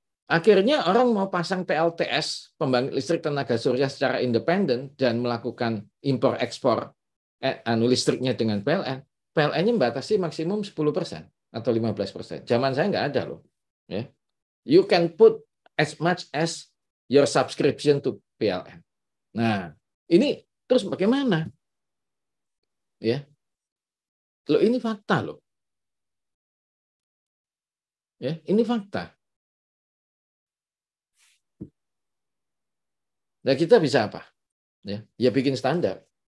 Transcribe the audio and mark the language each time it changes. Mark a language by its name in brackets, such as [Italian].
[Indonesian] Akhirnya orang mau pasang PLTS, pembangkit listrik tenaga surya secara independen, dan melakukan impor ekspor listriknya dengan PLN. PLN-nya membatasi maksimum 10% atau 15%. Zaman saya nggak ada loh, ya. [English] You can put as much as your subscription to PLN. [Indonesian] Nah, ini terus bagaimana? Ya. Loh, ini fakta loh. Ya, ini fakta. Nah, kita bisa apa? Ya, ya bikin standar.